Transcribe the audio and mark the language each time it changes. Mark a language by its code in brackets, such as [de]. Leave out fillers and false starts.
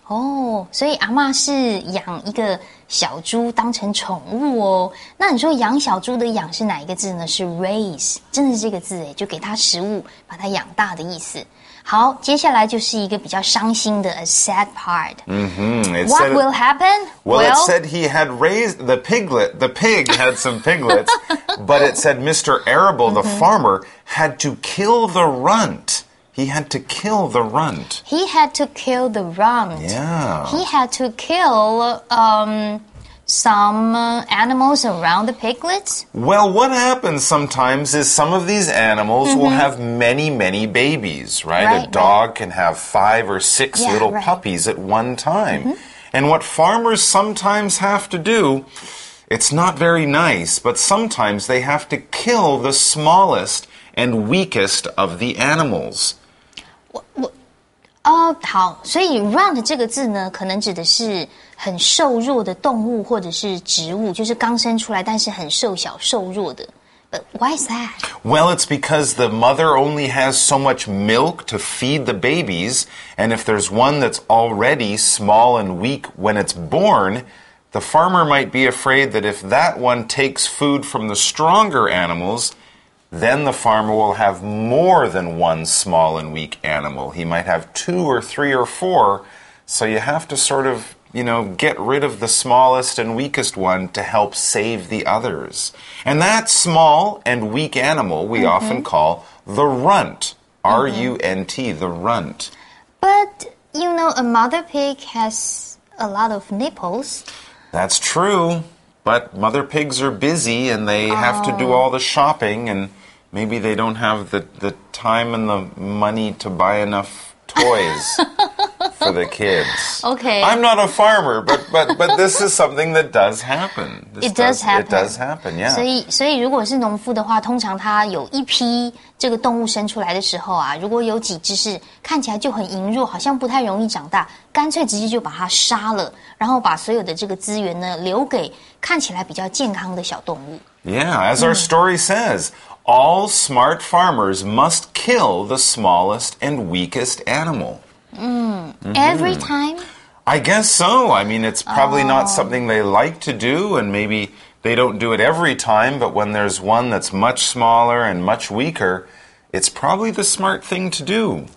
[zh] Oh, 所以阿嬷是养一个小猪当成宠物哦那你说养小猪的养是哪一个字呢是 raise 真的是这个字耶就给它食物把它养大的意思好接下来就是一个比较伤心的 [en] a sad part、 mm-hmm. What will happen? Well, it said he had raised the piglet the pig had some piglets but it said Mr. Arable, the farmer had to kill the runt He had to kill the runt. He had to kill the runt. Yeah. He had to kill some animals around the piglets. Well, what happens sometimes is some of these animals will have many, many babies, right? Right. A dog can have 5 or 6 yeah, little right. puppies at one time. Mm-hmm. And what farmers sometimes have to do, it's not very nice, but sometimes they have to kill the smallest and weakest of the animals. [zh] 好所以 runt 这个字呢可能指的是很瘦弱的动物或者是植物就是刚生出来但是很瘦小瘦弱的。 [en] But why is that? Well, it's because the mother only has so much milk to feed the babies, and if there's one that's already small and weak when it's born, the farmer might be afraid that if that one takes food from the stronger animals,then the farmer will have more than one small and weak animal. He might have 2 or 3 or 4, so you have to sort of, you know, get rid of the smallest and weakest one to help save the others. And that small and weak animal we often call the runt, R-U-N-T, the runt. But, you know, a mother pig has a lot of nipples. That's true, but mother pigs are busy and they have to do all the shopping and... Maybe they don't have the time and the money to buy enough toys for the kids. Okay. I'm not a farmer, but this is something that does happen. It does happen. It does happen, yeah. [zh] 所以如果是农夫的话通常他有一批这个动物生出来的时候啊如果有几只是看起来就很羸弱好像不太容易长大干脆直接就把它杀了然后把所有的这个资源呢留给看起来比较健康的小动物。 [en] Yeah, as our story says,All smart farmers must kill the smallest and weakest animal. Every time? I guess so. I mean, it's probably not something they like to do, and maybe they don't do it every time, but when there's one that's much smaller and much weaker, it's probably the smart thing to do.